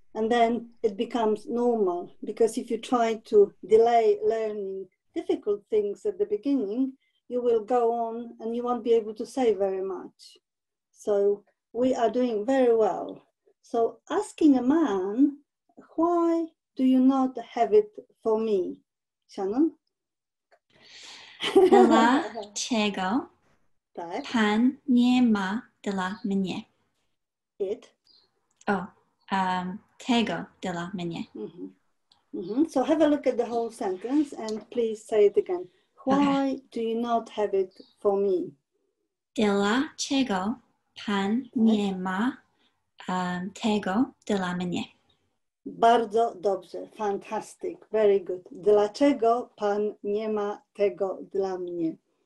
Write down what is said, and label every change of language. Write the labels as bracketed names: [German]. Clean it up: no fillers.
[English] And then it becomes normal, because if you try to delay learning difficult things at the beginning, you will go on and you won't be able to say very much. So we are doing very well. So asking a man, why do you not have it for me, Shannon? [Polish] Dla czego pan nie ma dla mnie? [English] It? [Polish] Oh, tego dla mnie. [English] So have a look at the whole sentence and please say it again. Why do you not have it for me? [Polish] Dla czego pan nie ma tego dla mnie? Bardzo dobrze, [English] fantastic, very good. [Polish] Dlaczego pan nie ma tego dla mnie?